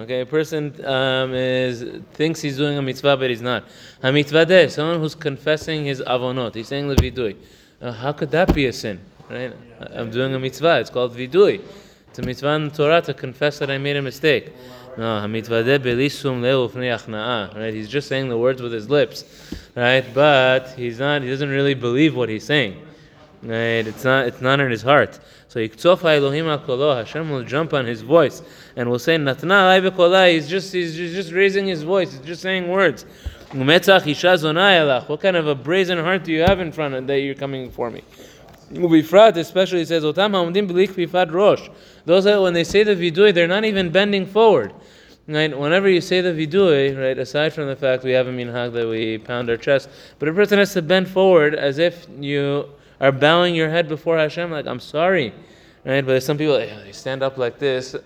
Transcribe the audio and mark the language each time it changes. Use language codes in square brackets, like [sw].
[en] Okay, a person thinks he's doing a mitzvah, but he's not. A mitzvadeh, someone who's confessing his avonot. He's saying the vidui. How could that be a sin? Right? I'm doing a mitzvah. It's called vidui. It's a mitzvah in the Torah to confess that I made a mistake. [he] No, המתוודה בלי שום לב ופני הכנעה. [en] Right, he's just saying the words with his lips, right? But he doesn't really believe what he's saying. Right, it's not in his heart. So [he] יקצוף האלוהים על קולו, [en] Hashem will jump on his voice and will say [he] נתנה עלי בקולה. [en] He's just raising his voice. He's just saying words. [he] ומצח אישה זונה אלך. [en] What kind of a brazen heart do you have in front of that you're coming for me? [he] ובפרט, [en] especially, he says, [he] אותם העומדים בלי כפיפת ראש. [en] Those that, when they say the vidui, they're not even bending forward. Right? Whenever you say the vidui, right, aside from the fact we have a minhag that we pound our chest, but a person has to bend forward as if you are bowing your head before Hashem, like, I'm sorry. Right? But some people, they stand up like this.